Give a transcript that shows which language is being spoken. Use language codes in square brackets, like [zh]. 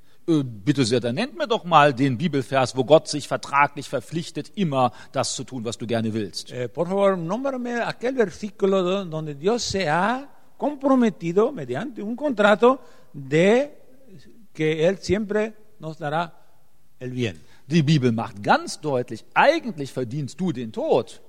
[de] Bitte sehr, dann nennt mir doch mal den Bibelvers, wo Gott sich vertraglich verpflichtet, immer das zu tun, was du gerne willst. [es] Por favor, nómbrame aquel versículo donde Dios se ha comprometido mediante un contrato de que él siempre nos dará el bien. [de] Die Bibel macht ganz deutlich, eigentlich verdienst du den Tod.